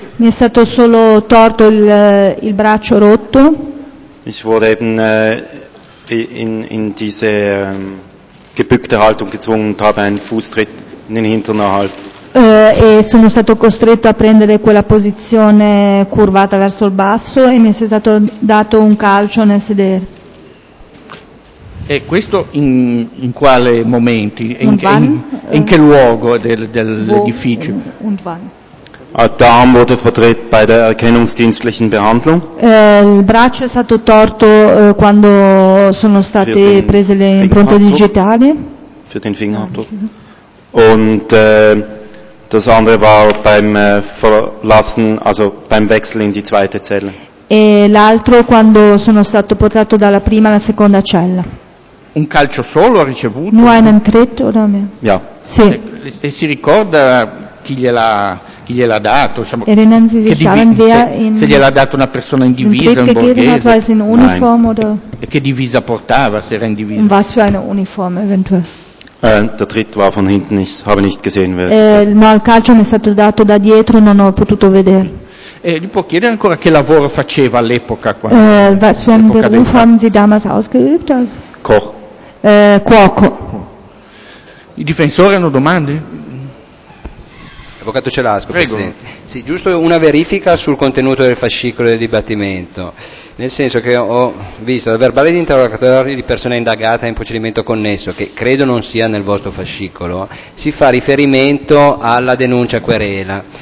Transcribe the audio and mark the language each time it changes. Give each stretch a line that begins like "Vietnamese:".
Italian: Mi è stato solo torto il braccio rotto.
German: Ich wurde eben in diese gebückte Haltung gezwungen und habe einen Fußtritt in den Hintern erhalten.
Italian: E sono stato costretto a prendere quella posizione curvata verso il basso e mi è stato dato un calcio nel sedere. E questo in quale momenti? In che luogo dell'edificio?
German: Und wann? Der Arm wurde verdreht bei der erkennungsdienstlichen Behandlung.
Italian: Il braccio è stato torto quando sono state prese le impronte digitali.
German: Für den Fingerabdruck. Und das andere war beim Verlassen, also beim Wechsel in die zweite Zelle.
Italian: E l'altro quando sono stato portato dalla prima alla seconda cella. Un calcio solo ha ricevuto?
German: Nur einen Tritt, oder mehr? Ja.
Italian: Sì. E si ricorda chi gliel'ha dato, diciamo,
German: Sie sich daran,
Italian: se gliel'ha dato una persona in divisa, in borghese,
German: in uniform, oder?
Italian: E che divisa portava, se era in divisa?
German: Was für eine Uniform eventuell? Der Tritt war von hinten, ich habe nicht gesehen.
Italian: No, il calcio mi è stato dato da dietro, non ho potuto vedere. Gli può chiedere ancora che lavoro faceva all'epoca?
German: Was für einen Beruf haben Sie damals ausgeübt? Koch.
Italian: Cuoco. I difensori hanno domande? Avvocato Celasco, presidente. Sì, giusto una verifica sul contenuto del fascicolo del dibattimento, nel senso che ho visto dal verbale di interrogatorio di persona indagata in procedimento connesso, che credo non sia nel vostro fascicolo, si fa riferimento alla denuncia querela.